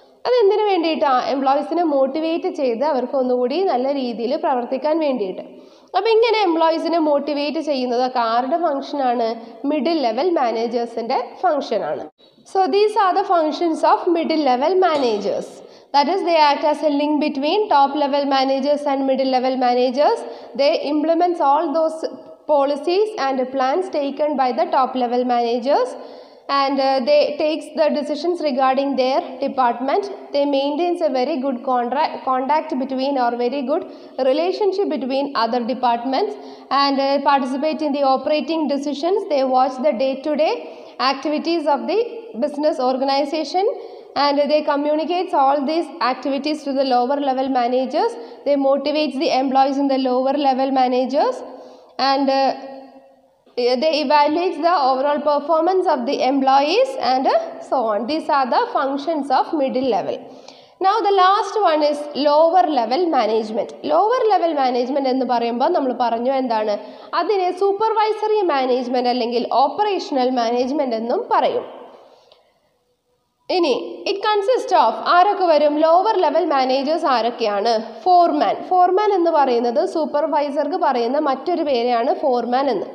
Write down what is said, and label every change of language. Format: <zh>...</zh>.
<ml>അതെന്തിനു വേണ്ടിയിട്ടാണ്, എംപ്ലോയീസിനെ മോട്ടിവേറ്റ് ചെയ്ത് അവർക്ക് ഒന്നുകൂടി നല്ല രീതിയിൽ പ്രവർത്തിക്കാൻ വേണ്ടിയിട്ട്. അപ്പോൾ ഇങ്ങനെ എംപ്ലോയീസിനെ മോട്ടിവേറ്റ് ചെയ്യുന്നതൊക്കെ ആരുടെ ഫംഗ്ഷനാണ്, മിഡിൽ ലെവൽ മാനേജേഴ്സിൻ്റെ ഫംഗ്ഷനാണ്.</ml> <en>So these are the functions of middle level managers. That is, they act as a link between top-level managers and middle-level managers. They implement all those policies and plans taken by the top-level managers. And they takes the decisions regarding their department. They maintains a very good contact between or very good relationship between other departments. And participate in the operating decisions. They watch the day-to-day activities of the business organization. And they communicates all these activities to the lower level managers. They motivates the employees in the lower level managers. And they evaluates the overall performance of the employees and so on. These are the functions of middle level. Now the last one is lower level management.</en> <ml>Lower level management എന്ന് പറയുമ്പോൾ നമ്മൾ പറഞ്ഞു എന്താണ്, അതിനെ supervisory management അല്ലെങ്കിൽ operational management എന്നും പറയും. ഇനി</ml> <en>it consist of</en> <ml>ആരൊക്കെ വരും, ലോവർ ലെവൽ മാനേജേഴ്സ് ആരൊക്കെയാണ്, ഫോർമാൻ. ഫോർമാൻ എന്ന് പറയുന്നത് സൂപ്പർവൈസർക്ക് പറയുന്ന മറ്റൊരു പേരെയാണ് ഫോർമാൻ എന്ന്.</ml>